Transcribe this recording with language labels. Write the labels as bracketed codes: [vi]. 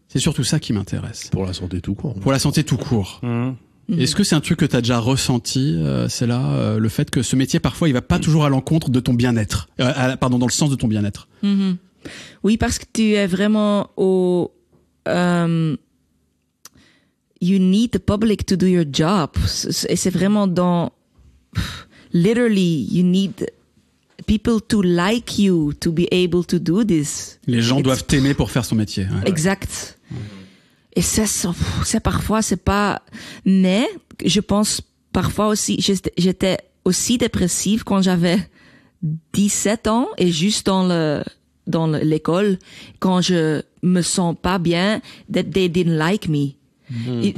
[fr] C'est surtout ça qui m'intéresse. Pour la santé tout court. Pour la santé tout court. Mmh. Mmh. Est-ce que c'est un truc que t'as déjà ressenti, c'est là, le fait que ce métier, parfois, il va pas toujours à l'encontre de ton bien-être, dans le sens de ton bien-être. Mmh. Oui, parce que tu es vraiment au... [en] you need the public to do your job. [fr] Et c'est vraiment dans... [en] Literally, you need people to like you to be able to do this. [fr] Les gens doivent t'aimer pour faire son métier. Ouais. Exact. Ouais. Et c'est parfois, c'est pas... Mais je pense parfois aussi... J'étais aussi dépressive quand j'avais 17 ans et juste dans l'école, quand je me sens pas bien, [en] that they didn't like me. [fr] Mmh.